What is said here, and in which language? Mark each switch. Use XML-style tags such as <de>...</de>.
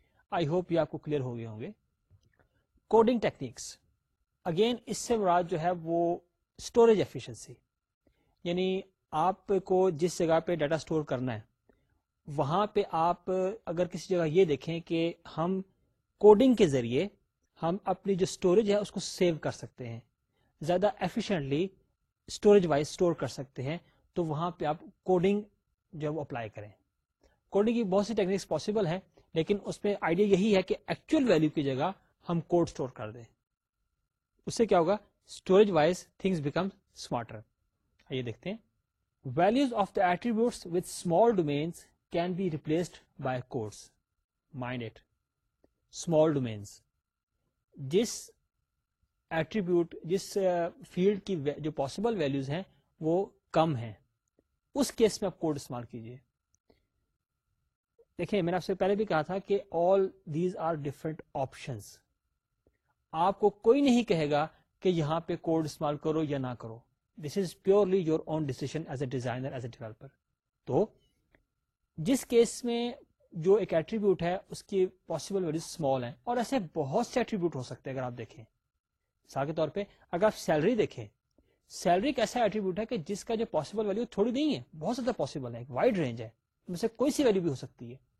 <en>I hope</en> <ur>یہ آپ کو کلیئر ہو گئے ہوں گے. کوڈنگ ٹیکنیکس, اگین اس سے مراد جو ہے وہ اسٹوریج ایفیشنسی, یعنی آپ کو جس جگہ پہ ڈیٹا اسٹور کرنا ہے وہاں پہ آپ اگر کسی جگہ یہ دیکھیں کہ ہم کوڈنگ کے ذریعے ہم اپنی جو اسٹوریج ہے اس کو سیو کر سکتے ہیں, زیادہ ایفیشنٹلی اسٹوریج وائز اسٹور کر سکتے ہیں, تو وہاں پہ آپ کوڈنگ جو ہے وہ اپلائی کریں. کوڈنگ کی بہت سی ٹیکنیکس پاسبل ہیں, لیکن اس میں آئیڈیا یہی ہے کہ ایکچوئل ویلیو کی جگہ ہم کوڈ اسٹور کر دیں. اس سے کیا ہوگا,</ur> <en>Storage wise things become smarter.</en> <ur>آئیے دیکھتے ہیں.</ur> <en>Values of the attributes with small domains can be replaced by codes. Mind it,</en> <ur>small domains, جس ایٹریبیوٹ, جس فیلڈ کی جو پاسبل ویلوز ہیں وہ کم ہیں, اس کیس میں آپ کوڈ استعمال کیجیے. دیکھیں, میں نے آپ سے پہلے بھی کہا تھا کہ</ur> <en>All these are different options.</en> <ur>آپ کو کوئی نہیں کہے گا کہ یہاں پہ کوڈ استعمال کرو یا نہ کرو.</ur> <en>This is purely your own decision as a designer, as a developer.</en> <ur>تو جس کیس میں جو ایک ایٹریبیوٹ ہے اس کی پاسبل ویلوز اسمال ہیں, اور ایسے بہت سے ایٹریبیوٹ ہو سکتے ہیں. اگر آپ دیکھیں مثال کے طور پہ, اگر آپ سیلری دیکھیں, سیلری ایک ایسا ایٹریبیوٹ ہے کہ جس کا جو پاسبل ویلو تھوڑی نہیں ہے, بہت زیادہ پاسبل ہے, ایک وائڈ رینج ہے, میں سے کوئی سی ویلو بھی ہو سکتی ہے.</ur>